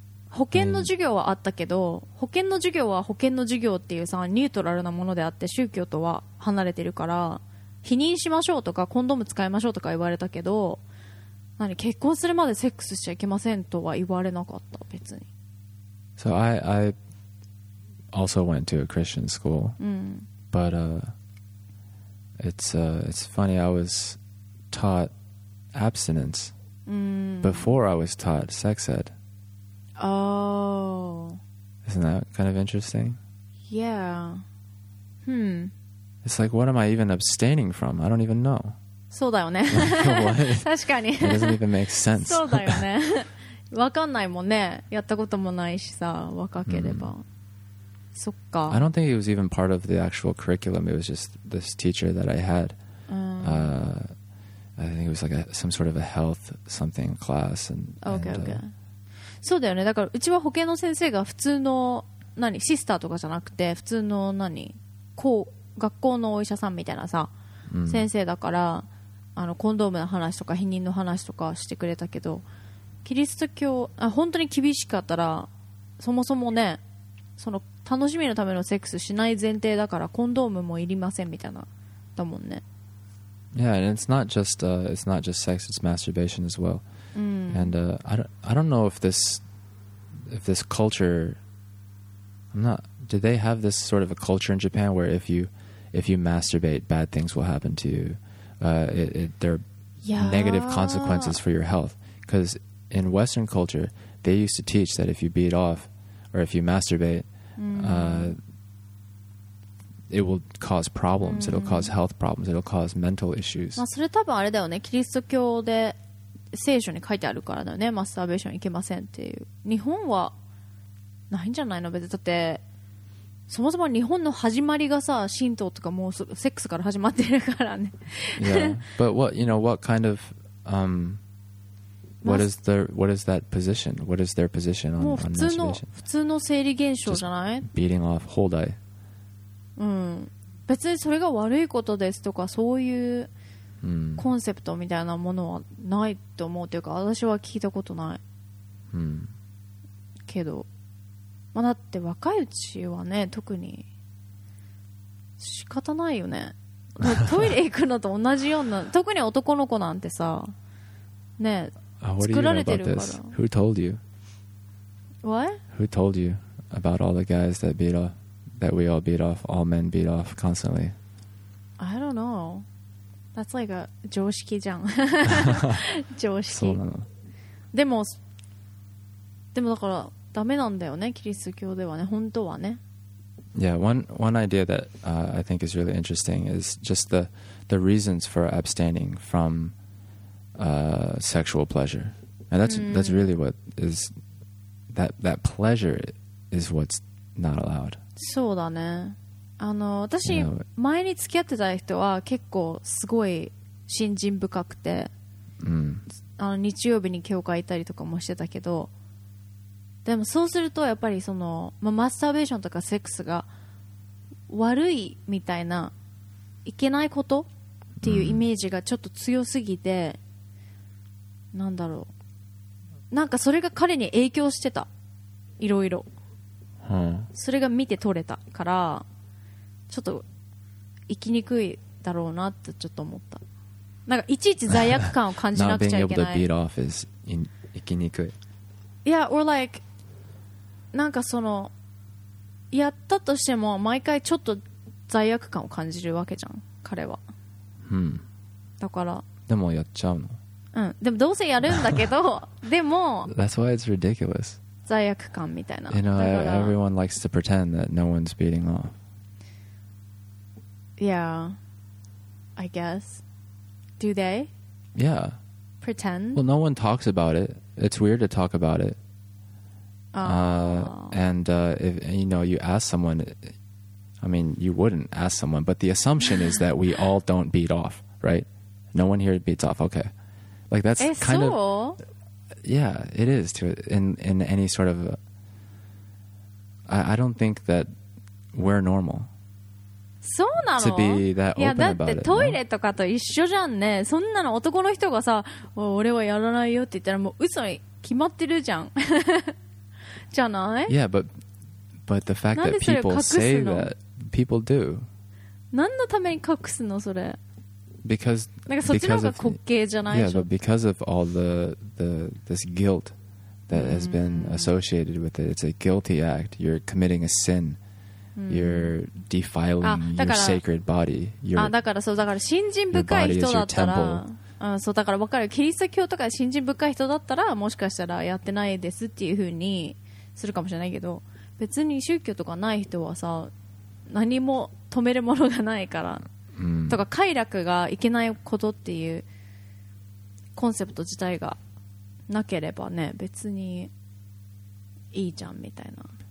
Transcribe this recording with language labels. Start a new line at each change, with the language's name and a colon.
Japanese: 保健の授業はあったけど、保健の授業は保健の授業っていうさ、ニュートラルなものであって宗教とは離れてるから、避妊しましょうとかコンドーム使いましょうとか言われたけど、何結婚するまでセックスしちゃいけませんとは言われなかった、別に。
English: So I also went to a Christian school、 mm. but it's funny, I was taught abstinence、mm. before I was taught sex ed. Oh, isn't that kind of interesting? Yeah. Hmm. It's like, what am I even abstaining from? I don't even know.
Japanese: そうだよね。確かに。
English: It doesn't even make sense.
Japanese: そうだよね。わかんないもんね。やったこともないしさ、若ければ。 Mm. そっか。
English: I don't think it was even part of the actual curriculum. It was just this teacher that I had.、I think it was like some sort of a health something class. Okay.
Japanese: そうだよね。だからうちは保健の先生が普通の何シスターとかじゃなくて普通の何こう学校のお医者さんみたいなさ、mm. 先生だからあのコンドームの話とか避妊の話とかしてくれたけど、キリスト教あ本当に厳しかったらそもそもねその楽しみのためのセックスしない前提だからコンドームもいりませんみたいなだもんね。
English: Yeah, and it's not just sex, it's masturbation as well、 mm. And I don't know if this culture I'm not do they have this sort of a culture in Japan where if you masturbate bad things will happen to you、there are、 yeah. negative consequences for your health, because in Western culture they used to teach that if you beat off or if you masturbate, it will cause problems. It'll cause health problems. It'll cause mental issues.
Japanese: まあそれ多分あれだよね。キリスト教で聖書に書いてあるからだよね。マスターベーションいけませんっていう。日本はないんじゃないの別に。だってそもそも日本の始まりがさ、神道とかもうセックスから始まってるからね。
English: Yeah. But what, you know, what kind of, what is the, what is that position? What is their position on masturbation?
Japanese: もう普通の生理現象じゃない？
English: Beating off whole day.
Japanese: うん。別にそれが悪いことですとか、そういうコンセプトみたいなものはないと思うというか、私は聞いたことない。けど。まあ、だって若いうちはね特に仕方ないよね。トイレ行くのと同じような特に男の子なんてさね作られてるから。
English: Who told you? What? Who told you about all the guys that beat off that we all beat off all men beat off constantly? I don't know. That's like a
Japanese: 常識じゃん。常識。そうなの。でもだから。ダメなんだよね、キリスト教ではね、本当はね。
English: Yeah, one idea that I think is really interesting is just the reasons for abstaining from sexual pleasure. And that's really what is that pleasure is what's not allowed.
Japanese: そうだね。あの、私、you know, 前に付き合ってた人は結構すごい信心深くて、あの、日曜日に教会行ったりとかもしてたけど、でもそうするとやっぱりその、まあ、マスターベーションとかセックスが悪いみたいないけないことっていうイメージがちょっと強すぎて、なんだろう、なんかそれが彼に影響してた、いろいろ、それが見て取れたからちょっと生きにくいだろうなってちょっと思った。なんかいちいち罪悪感を感じなくちゃいけない。
English: Not being able to beat off is
Japanese: 生きにくい。
English: Yeah, or like
Japanese: なんかそのやったとしても毎回ちょっと罪悪感を感じるわけじゃん彼は。だからでもやっちゃうの。でもどうせやるんだけど。でも
English: That's why it's ridiculous.
Japanese: 罪悪感みたいな。
English: You know, everyone likes to pretend that no one's beating off. Yeah, I guess. Do they? Yeah. Pretend? Well, no one talks about it. It's weird to talk about it. If you know, you ask someone, I mean, you wouldn't ask someone, but the assumption is that we all don't beat off, right? No one here beats off. Okay. Like that's kind of, yeah, it is to in any sort of, I don't think that we're normal.
Japanese: そうなの？いやだってトイレとかと一緒じゃんね。そんなの男の人がさ、俺はやらないよって言ったらもう嘘に決まってるじゃん。じゃない
English: ？Yeah, but the fact that people say that, people do.
Japanese: 何のために隠すのそれ？
English: Because
Japanese: なんかそっちの方が滑稽じゃないでしょ。
English: Yeah, but because of all this guilt that has been associated with it, it's a guilty act. You're committing a sin. You're defiling your sacred body.
Japanese: だからそう、だから信心深い人だったら、そうだから分かる。キリスト教とか信心深い人だったらもしかしたらやってないですっていう風にするかもしれないけど、別に宗教とかない人はさ何も止めるものがないから、とか快楽がいけないことっていうコンセプト自体がなければね別にいいじゃんみたいな。